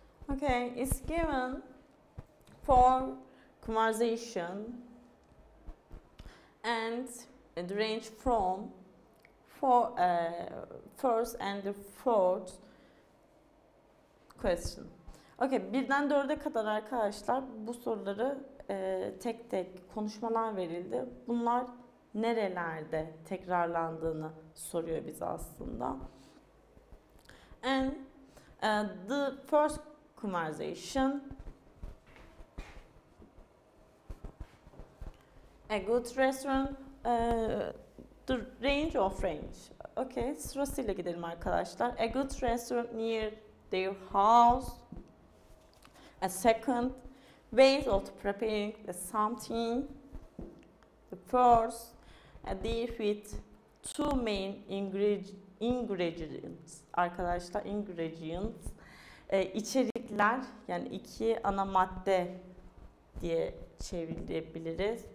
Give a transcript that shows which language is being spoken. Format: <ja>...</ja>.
<en>Okay, it's given for conversation and it range from first and the fourth question.</en> <tr>Okay, birden dörde kadar arkadaşlar bu soruları tek tek konuşmalar verildi. Bunlar nerelerde tekrarlandığını soruyor bize aslında.</tr> <en>And the first conversation. A good restaurant. The range of range.</en> <tr>Okay, sırasıyla gidelim arkadaşlar.</tr> <en>A good restaurant near their house. A second ways of preparing the something. The first, a dish with two main ingredients.</en> <tr>Arkadaşlar, ingredients. İçerikler, yani iki ana madde diye çevirebiliriz.</tr>